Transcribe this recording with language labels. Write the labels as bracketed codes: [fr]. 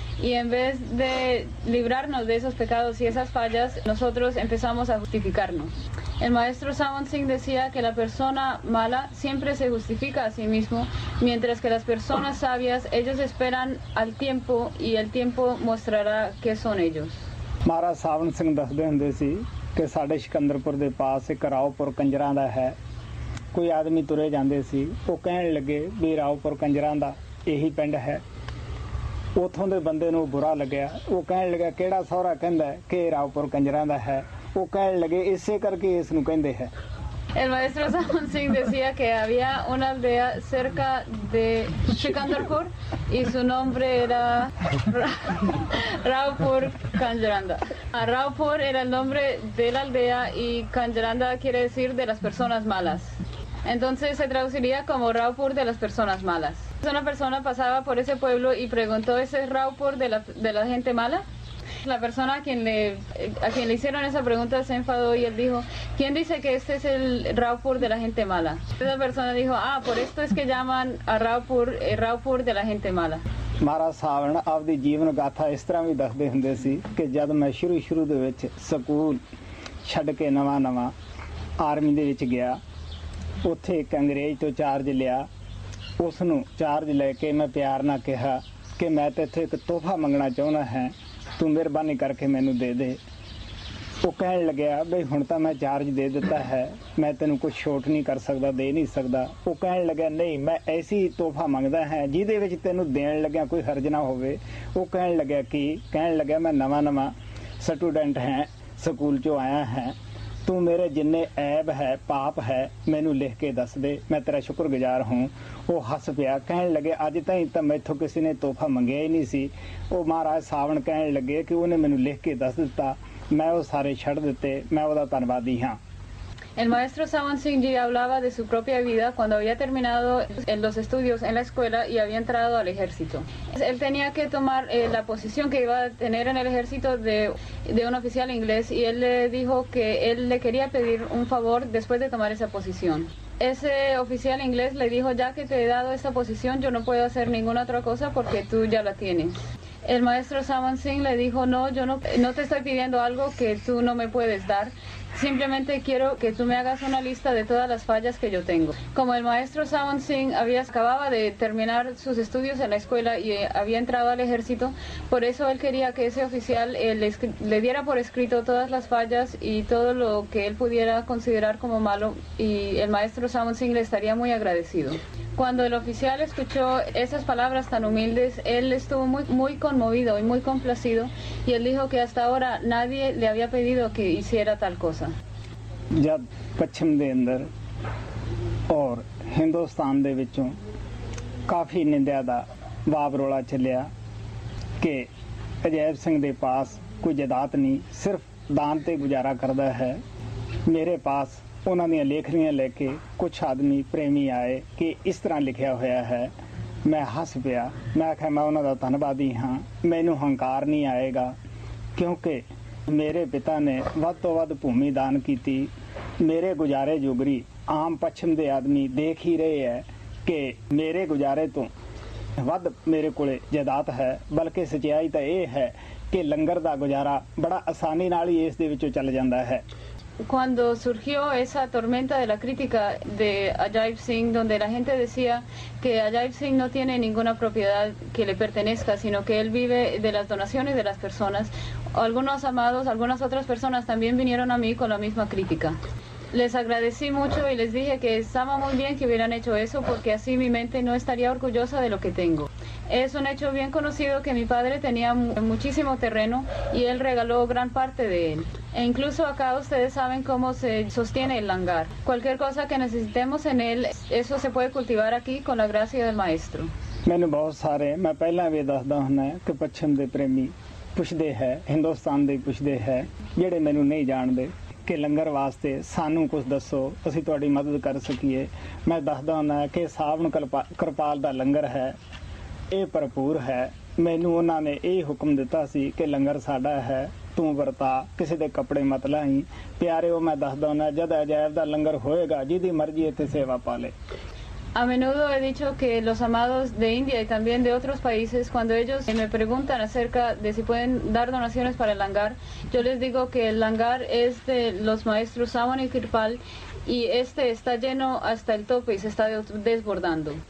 [es] Y en vez de librarnos de esos pecados y esas fallas, nosotros empezamos a justificarnos. El maestro Sawan Singh decía que la persona mala siempre se justifica a sí mismo, mientras que las personas sabias, ellos esperan al tiempo y el tiempo mostrará qué son ellos. [pa] ਮਹਾਰਾਜ ਸਾਵਨ ਸਿੰਘ ਦੱਸਦੇ ਹੁੰਦੇ ਸੀ ਕਿ ਸਾਡੇ ਸਿਕੰਦਰਪੁਰ ਦੇ ਪਾਸ ਇੱਕ ਰਾਓਪੁਰ ਕੰਜਰਾਂ ਦਾ ਹੈ। ਕੋਈ ਆਦਮੀ ਤੁਰੇ ਜਾਂਦੇ ਸੀ, ਉਹ ਕਹਿਣ ਲੱਗੇ ਵੀ ਰਾਓਪੁਰ ਕੰਜਰਾਂ ਦਾ ਇਹੀ ਪਿੰਡ ਹੈ। ਉੱਥੋਂ ਦੇ ਬੰਦੇ ਨੂੰ ਬੁਰਾ ਲੱਗਿਆ, ਉਹ ਕਹਿਣ ਲੱਗਿਆ ਕਿਹੜਾ ਸਹੁਰਾ ਕਹਿੰਦਾ ਕਿ ਇਹ ਰਾਓਪੁਰ ਕੰਜਰਾਂ ਦਾ ਹੈ। ਉਹ ਕਹਿਣ ਲੱਗੇ ਇਸੇ ਕਰਕੇ ਇਸ ਨੂੰ ਕਹਿੰਦੇ ਹੈ। [es] El maestro Sawan Singh decía que había una aldea cerca de Sikandarpur y su nombre era Raupur Kanjaranda. Raupur era el nombre de la aldea y Kanjaranda quiere decir de las personas malas. Entonces se traduciría como Raupur de las personas malas. Una persona pasaba por ese pueblo y preguntó, ¿ese es Raupur de la gente mala? La persona a quien le hicieron esa pregunta se enfadó y él dijo, ¿quién dice que este es el Raupur de la gente mala? Esa persona dijo, ah, por esto es que llaman a Raupur el Raupur de la gente mala. [pa] ਮਹਾਰਾਜ ਸਾਵਣ ਆਪਦੀ ਜੀਵਨ ਗਾਥਾ ਇਸ ਤਰ੍ਹਾਂ ਵੀ ਦੱਸਦੇ ਹੁੰਦੇ ਸੀ ਕਿ ਜਦ ਮੈਂ ਸ਼ੁਰੂ ਦੇ ਵਿੱਚ ਸਕੂਲ ਛੱਡ ਕੇ ਨਵਾਂ ਆਰਮੀ ਦੇ ਵਿੱਚ ਗਿਆ, ਉੱਥੇ ਇੱਕ ਅੰਗਰੇਜ਼ ਤੋਂ ਚਾਰਜ ਲਿਆ। ਉਸ ਨੂੰ ਚਾਰਜ ਲੈ ਕੇ ਮੈਂ ਪਿਆਰ ਨਾਲ ਕਿਹਾ ਕਿ ਮੈਂ ਤਾਂ ਇੱਥੇ ਇੱਕ ਤੋਹਫ਼ਾ ਮੰਗਣਾ ਚਾਹੁੰਦਾ ਹੈ, ਤੂੰ ਮਿਹਰਬਾਨੀ ਕਰਕੇ ਮੈਨੂੰ ਦੇ ਦੇ। ਉਹ ਕਹਿਣ ਲੱਗਿਆ ਵੀ ਹੁਣ ਤਾਂ ਮੈਂ ਚਾਰਜ ਦੇ ਦਿੱਤਾ ਹੈ, ਮੈਂ ਤੈਨੂੰ ਕੁਛ ਛੋਟ ਨਹੀਂ ਕਰ ਸਕਦਾ, ਦੇ ਨਹੀਂ ਸਕਦਾ। ਉਹ ਕਹਿਣ ਲੱਗਿਆ ਨਹੀਂ, ਮੈਂ ਐਸੀ ਤੋਹਫ਼ਾ ਮੰਗਦਾ ਹੈ ਜਿਹਦੇ ਵਿੱਚ ਤੈਨੂੰ ਦੇਣ ਲੱਗਿਆ ਕੋਈ ਹਰਜ ਨਾ ਹੋਵੇ। ਉਹ ਕਹਿਣ ਲੱਗਿਆ ਕਿ ਕਹਿਣ ਲੱਗਿਆ ਮੈਂ ਨਵਾਂ ਸਟੂਡੈਂਟ ਹੈ, ਸਕੂਲ 'ਚੋਂ ਆਇਆ ਹੈ, ਤੂੰ ਮੇਰੇ ਜਿੰਨੇ ਐਬ ਹੈ ਪਾਪ ਹੈ ਮੈਨੂੰ ਲਿਖ ਕੇ ਦੱਸ ਦੇ, ਮੈਂ ਤੇਰਾ ਸ਼ੁਕਰਗੁਜ਼ਾਰ ਹਾਂ। ਉਹ ਹੱਸ ਪਿਆ, ਕਹਿਣ ਲੱਗੇ ਅੱਜ ਤਾਈਂ ਤਾਂ ਮੈਥੋਂ ਕਿਸੇ ਨੇ ਤੋਹਫ਼ਾ ਮੰਗਿਆ ਹੀ ਨਹੀਂ ਸੀ। ਉਹ ਮਹਾਰਾਜ ਸਾਵਣ ਕਹਿਣ ਲੱਗੇ ਕਿ ਉਹਨੇ ਮੈਨੂੰ ਲਿਖ ਕੇ ਦੱਸ ਦਿੱਤਾ, ਮੈਂ ਉਹ ਸਾਰੇ ਛੱਡ ਦਿੱਤੇ, ਮੈਂ ਉਹਦਾ ਧੰਨਵਾਦੀ ਹਾਂ। [es] El maestro Sawan Singh Ji hablaba de su propia vida cuando había terminado en los estudios en la escuela y había entrado al ejército. Él tenía que tomar la posición que iba a tener en el ejército de un oficial inglés y él le dijo que él le quería pedir un favor después de tomar esa posición. Ese oficial inglés le dijo, ya que te he dado esta posición, yo no puedo hacer ninguna otra cosa porque tú ya la tienes. El maestro Sawan Singh le dijo, no, yo no te estoy pidiendo algo que tú no me puedes dar. Simplemente quiero que tú me hagas una lista de todas las fallas que yo tengo. Como el maestro Sawan Singh acababa de terminar sus estudios en la escuela y había entrado al ejército, por eso él quería que ese oficial le diera por escrito todas las fallas y todo lo que él pudiera considerar como malo, y el maestro Sawan Singh le estaría muy agradecido. Cuando el oficial escuchó esas palabras tan humildes, él estuvo muy, muy conmovido y muy complacido, y él dijo que hasta ahora nadie le había pedido que hiciera tal cosa. [pa] ਜਦ ਪੱਛਮ ਦੇ ਅੰਦਰ ਔਰ ਹਿੰਦੁਸਤਾਨ ਦੇ ਵਿੱਚੋਂ ਕਾਫੀ ਨਿੰਦਿਆ ਦਾ ਵਾਬ ਰੌਲਾ ਚੱਲਿਆ ਕਿ ਅਜੈਬ ਸਿੰਘ ਦੇ ਪਾਸ ਕੋਈ ਜਾਇਦਾਦ ਨਹੀਂ, ਸਿਰਫ ਦਾਨ 'ਤੇ ਗੁਜ਼ਾਰਾ ਕਰਦਾ ਹੈ। ਮੇਰੇ ਪਾਸ ਉਹਨਾਂ ਦੀਆਂ ਲੇਖਣੀਆਂ ਲੈ ਕੇ ਕੁਛ ਆਦਮੀ ਪ੍ਰੇਮੀ ਆਏ ਕਿ ਇਸ ਤਰ੍ਹਾਂ ਲਿਖਿਆ ਹੋਇਆ ਹੈ। ਮੈਂ ਹੱਸ ਪਿਆ, ਮੈਂ ਆਖਿਆ ਮੈਂ ਉਹਨਾਂ ਦਾ ਧੰਨਵਾਦੀ ਹਾਂ, ਮੈਨੂੰ ਹੰਕਾਰ ਨਹੀਂ ਆਏਗਾ, ਕਿਉਂਕਿ ਮੇਰੇ ਪਿਤਾ ਨੇ ਵੱਧ ਤੋਂ ਵੱਧ ਭੂਮੀ ਦਾਨ ਕੀਤੀ। ਮੇਰੇ ਗੁਜ਼ਾਰੇ ਜੋਗਰੀ ਆਮ ਪੱਛਮ ਦੇ ਆਦਮੀ ਦੇਖ ਹੀ ਰਹੇ ਹੈ ਕਿ ਮੇਰੇ ਗੁਜ਼ਾਰੇ ਤੋਂ ਵੱਧ ਮੇਰੇ ਕੋਲ ਜਾਇਦਾਦ ਹੈ, ਬਲਕਿ ਸੱਚਾਈ ਤਾਂ ਇਹ ਹੈ ਕਿ ਲੰਗਰ ਦਾ ਗੁਜ਼ਾਰਾ ਬੜਾ ਆਸਾਨੀ ਨਾਲ ਹੀ ਇਸ ਦੇ ਵਿੱਚੋਂ ਚੱਲ ਜਾਂਦਾ ਹੈ। [es] Cuando surgió esa tormenta de la crítica de Ajaib Singh, donde la gente decía que Ajaib Singh no tiene ninguna propiedad que le pertenezca, sino que él vive de las donaciones de las personas, algunos amados, algunas otras personas también vinieron a mí con la misma crítica. Les agradecí mucho y les dije que estaba muy bien que hubieran hecho eso, porque así mi mente no estaría orgullosa de lo que tengo. Es un hecho bien conocido que mi padre tenía muchísimo terreno y él regaló gran parte de él. E incluso acá ustedes saben cómo se sostiene el langar. Cualquier cosa que necesitemos en él, eso se puede cultivar aquí con la gracia del maestro. [pa] ਮੈਨੂੰ ਬਹੁਤ ਸਾਰੇ ਮੈਂ ਪਹਿਲਾਂ ਵੀ ਦੱਸਦਾ ਹੁੰਦਾ ਕਿ ਪੱਛਮ ਦੇ ਪ੍ਰੇਮੀ ਪੁੱਛਦੇ ਹੈ ਹਿੰਦੁਸਤਾਨ ਦੇ ਪੁੱਛਦੇ ਹੈ ਜਿਹੜੇ ਮੈਨੂੰ ਨਹੀਂ ਜਾਣਦੇ ਕਿ ਲੰਗਰ ਵਾਸਤੇ ਸਾਨੂੰ ਕੁਛ ਦੱਸੋ ਅਸੀਂ ਤੁਹਾਡੀ ਮਦਦ ਕਰ ਸਕੀਏ ਮੈਂ ਦੱਸਦਾ ਹੁੰਦਾ ਕਿ ਸਾਵਣ ਕਿਰਪਾਲ ਦਾ ਲੰਗਰ ਹੈ ਇਹ ਭਰਪੂਰ ਹੈ ਮੈਨੂੰ ਉਹਨਾਂ ਨੇ ਇਹ ਹੁਕਮ ਦਿੱਤਾ ਸੀ ਕਿ ਲੰਗਰ ਸਾਡਾ ਹੈ ਤੂੰ ਵਰਤਾ ਕਿਸੇ ਦੇ ਕੱਪੜੇ ਮਤ ਲਾਈ ਪਿਆਰੇ ਉਹ ਮੈਂ ਦੱਸਦਾ ਹੁੰਦਾ ਜਦ ਅਜਾਇਬ ਦਾ ਲੰਗਰ ਹੋਏਗਾ ਜਿਹਦੀ ਮਰਜ਼ੀ ਇੱਥੇ ਸੇਵਾ ਪਾ ਲੇ [es] A menudo he dicho que los amados de India y también de otros países, cuando ellos me preguntan acerca de si pueden dar donaciones para el langar, yo les digo que el langar es de los maestros Savan y Kirpal y este está lleno hasta el tope y se está desbordando.